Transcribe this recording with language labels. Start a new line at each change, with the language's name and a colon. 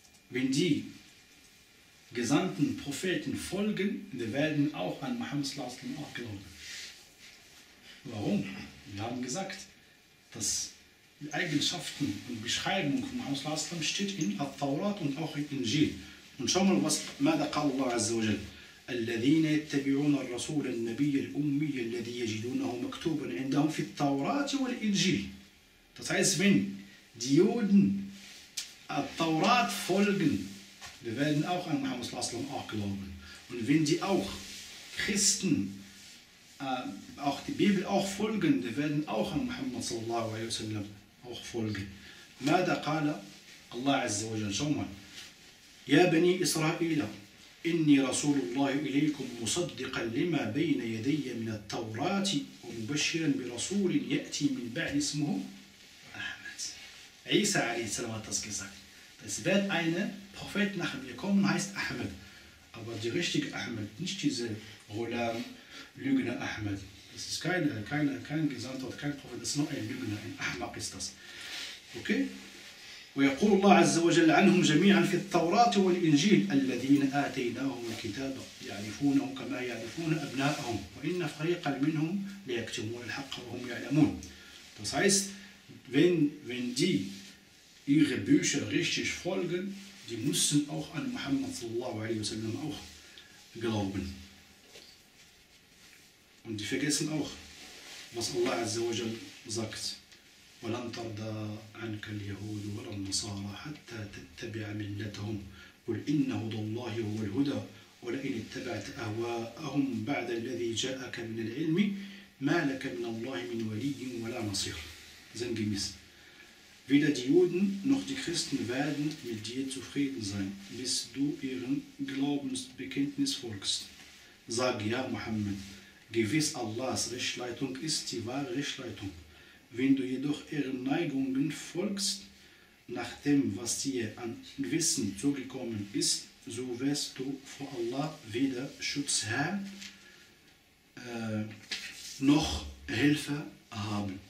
German: Wenn die gesandten Propheten folgen, die werden auch an Muhammad sallallahu alaihi wasallam auch glauben. Warum? Wir haben gesagt, dass die Eigenschaften und Beschreibung von Muhammad sallallahu alaihi wasallam steht in At-Tawrat und auch in Injil. Und schau mal, was Allah azza wa jal.
Arabic: الذين يتبعون الرسول النبي الأمي الذي يجدونه مكتوبا عندهم في التوراة والإنجيل.
German: Das heißt, wenn die Juden Taurat folgen, wir werden auch an Muhammad sallallahu alaihi wasallam auch glauben. Und wenn die auch Christen auch die Bibel auch folgen, wir werden auch an Muhammad sallallahu alaihi wasallam auch folgen.
Arabic: ماذا قال الله عز وجل شو مال يا بني إسرائيل إني رسول الله إليكم مصدقا لما بين يدي من التوراة ومبشرا برسول يأتي من بعد اسمه أحمد. عيسى عليه السلام تسكيسك.
German: Es wird ein Prophet nach mir kommen, heißt Ahmed. Aber der richtige Ahmed, nicht dieser Gulam, Lügner Ahmed. Das ist kein Gesandter, kein Prophet, das ist nur ein Lügner, ein Ahmak ist das. Okay?
Arabic: ويقول الله عز وجل عنهم جميعا في التوراة والإنجيل الذين آتيناهم الكتاب يعرفونه كما يعرفون أبناءهم وإن فريقا منهم ليكتمون الحق وهم يعلمون.
German: Das heißt, wenn die ihre Bücher richtig folgen, die müssen auch an Muhammad sallallahu alaihi wasallam auch glauben. Und die vergessen auch, was Allah
Arabic: عز وجل
German: sagt.
Arabic: ولن ترضى عنك اليهود ولا النصارى حتى تتبع ملتهم قل إن هدى الله هو الهدى ولئن اتبعت أهواءهم بعد الذي جاءك من العلم ما لك من الله من ولي ولا نصير.
German: Sinngemäß. Weder die Juden noch die Christen werden mit dir zufrieden sein, bis du ihren Glaubensbekenntnis folgst. Sag ja, Muhammad, gewiss Allahs Rechtleitung ist die wahre Rechtleitung. Wenn du jedoch ihren Neigungen folgst, nach dem, was dir an Wissen zugekommen ist, so wirst du vor Allah weder Schutzherr noch Helfer haben.